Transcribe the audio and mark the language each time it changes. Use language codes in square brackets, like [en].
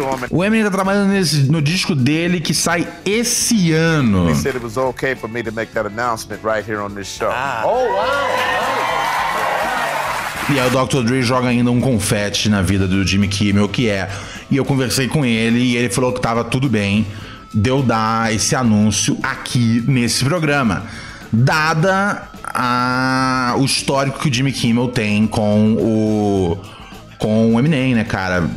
[pt] O Eminem tá trabalhando no disco dele que sai esse ano. [en] He said it was okay for me to make that announcement right here on this show. [pt] E aí o Dr. Dre joga ainda um confete na vida do Jimmy Kimmel, que é. E eu conversei com ele e ele falou que tava tudo bem de eu dar esse anúncio aqui nesse programa. Dada o histórico que o Jimmy Kimmel tem com o Eminem, né, cara?